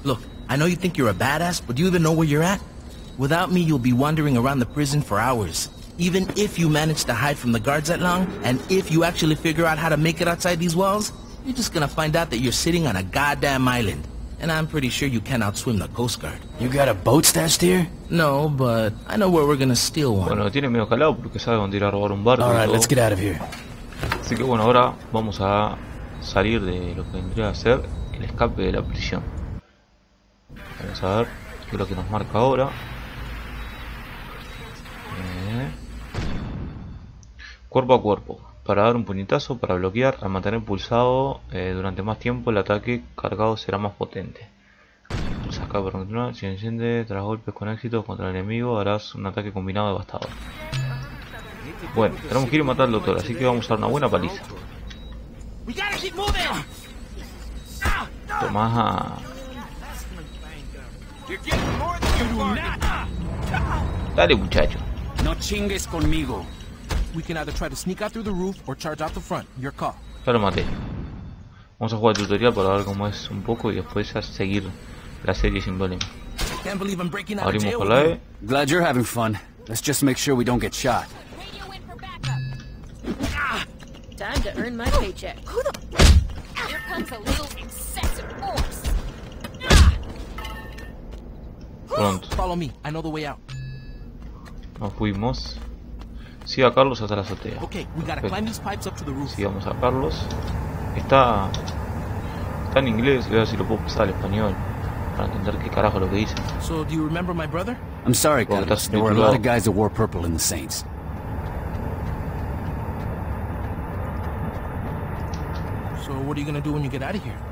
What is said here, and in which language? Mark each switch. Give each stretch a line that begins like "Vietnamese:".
English: Look, I know you think you're a badass, but do you even know where you're at? Without me, you'll be wandering around the prison for hours. Even if you manage to hide from the guards that long, and if you actually figure out how to make it outside these walls, you're just gonna find out that you're sitting on a goddamn island. And I'm pretty sure you can outswim the Coast Guard. You got a boat stashed here? No, but I know where we're gonna steal one.
Spanish: Bueno, tiene medio calado porque sabe dónde ir a robar un barco.
English: All right, let's get out of here.
Spanish: Así que bueno, ahora vamos a... salir de lo que vendría a ser el escape de la prisión. Vamos a ver qué es lo que nos marca ahora. Cuerpo a cuerpo. Para dar un puñetazo, para bloquear, al mantener pulsado durante más tiempo, el ataque cargado será más potente. Pulsa acá para continuar. Si enciende, tras golpes con éxito contra el enemigo, harás un ataque combinado devastador. Bueno, tenemos que ir a matar al doctor, así que vamos a dar una buena paliza. Toma. Dale, muchacho. No chingues conmigo.
English: We can either try to sneak out through the roof or charge out the front. Your call.
Spanish: Ya lo maté. Vamos a jugar el tutorial para ver cómo es un poco y después a seguir la serie sin problema.
English: I can't believe I'm breaking out.
Spanish: Abrimos con la E.
English: Glad you're having fun. Let's just make sure we don't get shot. Radio in for backup. Time to earn my paycheck. Who the? Here comes a little excessive force. Pronto. Follow me. I know the way out.
Spanish: Nos fuimos. Siga a Carlos hasta la azotea.
English: Okay,
Spanish: sigamos a Carlos. Está en inglés, voy a ver si lo puedo pasar al español para entender qué carajo lo que dice.
English: So, do you remember my brother? I'm sorry, Carlos. There were a lot of guys that wore purple in the Saints. So, what are you gonna do when you get out of here?